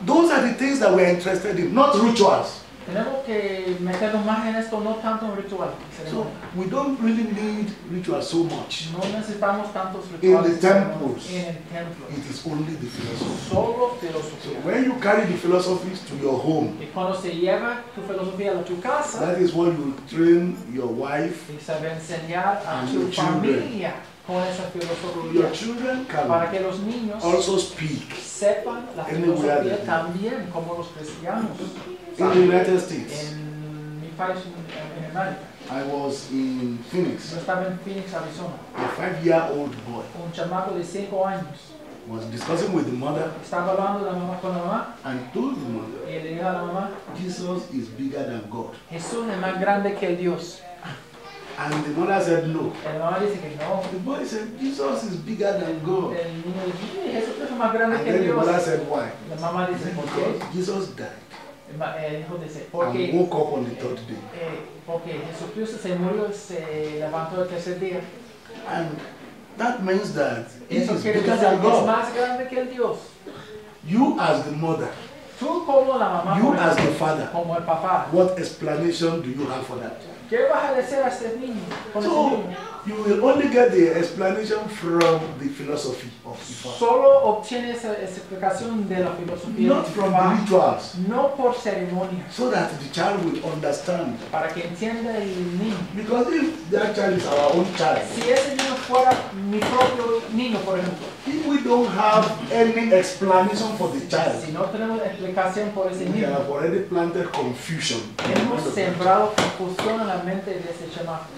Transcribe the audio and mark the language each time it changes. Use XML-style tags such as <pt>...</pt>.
<en>Those are the things that we are interested in, not rituals. So we don't really need rituals so much.</en> <es>No necesitamos tantos rituales.</es> <en>In the temples.</en> <es>En el templo.</es> <en>It is only the philosophy.</en> <es>Solo filosofía.</es> <en>So when you carry the philosophies to your home.</en> <es>Y cuando se lleva tu filosofía a tu casa.</es> <en>That is what you will train your wife.</en> <es>Y sabe enseñar a</es> <en>and</en> <es>tu</es> <en>your children.</en> <es>Familia con esa filosofía.</es> <en>Your children can</en> <es>para que los niños</es> <en>also speak.</en> <es>Sepan la filosofía también como los cristianos.</es> <en>In the United States. In America. I was in Phoenix.</en> <es>Yo estaba en Phoenix, Arizona.</es> <en>A 5-year-old boy.</en> <es>Un chamaco de 5 años.</es> <en>Was discussing with the mother.</en> <es>Estaba hablando la mamá con la mamá.</es> <en>And told the mother.</en> <es>Y le dijo a la mamá.</es> <en>Jesus is bigger than God.</en> <es>Jesús es más grande que Dios.</es> <en>And the mother said no.</en> <es>El mamá dice que no.</es> <en>The boy said Jesus is bigger than God.</en> <es>El niño dice Jesús es más grande que Dios.</es> <en>And then the mother said why?</en> <es>La mamá dice por qué.</es> <en>Because Jesus died.</en> <es>Porque,</es> <en>and woke up on the third day.</en> <es>Porque Jesucristo se murió, se levantó el tercer día.</es> <en>And that means that</en> <es>eso</es> <en>is bigger than God.</en> <es>Es más grande que el Dios.</es> <en>You as the mother.</en> <es>Tú como la mamá.</es> <en>You as the father.</en> <es>Como el papá.</es> <en>What explanation do you have for that?</en> <es>¿Qué vas a decir a este niño?</es> <en>So you will only get the explanation from the philosophy of Ifa.</en> <es>Solo obtienes la explicación de la filosofía.</es> <en>Not from the rituals.</en> <es>No por ceremonia.</es> <en>So that the child will understand.</en> <es>Para que entienda el niño.</es> <en>Because if that child is our own child.</en> <es>Si ese niño fuera mi propio niño, por ejemplo.</es> <en>If we don't have any explanation for the child.</en> <es>Si no tenemos explicación por ese niño.</es> <en>We have already planted confusion.</en> <es>Hemos sembrado confusión en la mente de ese chamaco.</es>